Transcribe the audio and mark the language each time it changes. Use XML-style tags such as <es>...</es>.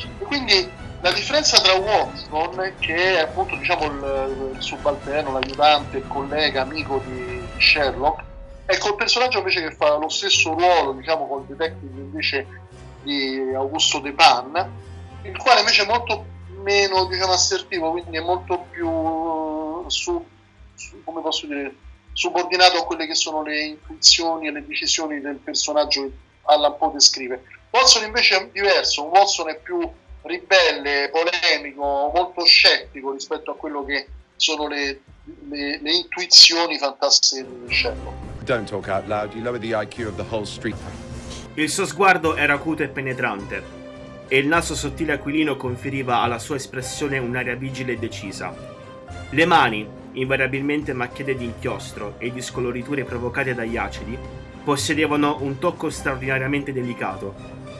<it>E quindi la differenza tra Watson, che è appunto, diciamo, il subalterno, l'aiutante, il collega, amico di Sherlock, ecco, il personaggio invece che fa lo stesso ruolo, diciamo, con il detective invece di Augusto Depan, il quale invece è molto meno, diciamo, assertivo, quindi è molto più come posso dire, subordinato a quelle che sono le intuizioni e le decisioni del personaggio che Allan Poe descrive. Watson invece è diverso, Watson è più ribelle, polemico, molto scettico rispetto a quello che sono le intuizioni fantastiche di Sherlock.</it> <en>Don't talk out loud, you lower the IQ of the whole street.</en> <it>Il suo sguardo era acuto e penetrante, e il naso sottile aquilino conferiva alla sua espressione un'aria vigile e decisa. Le mani, invariabilmente macchiate di inchiostro e di scoloriture provocate dagli acidi, possedevano un tocco straordinariamente delicato.</it>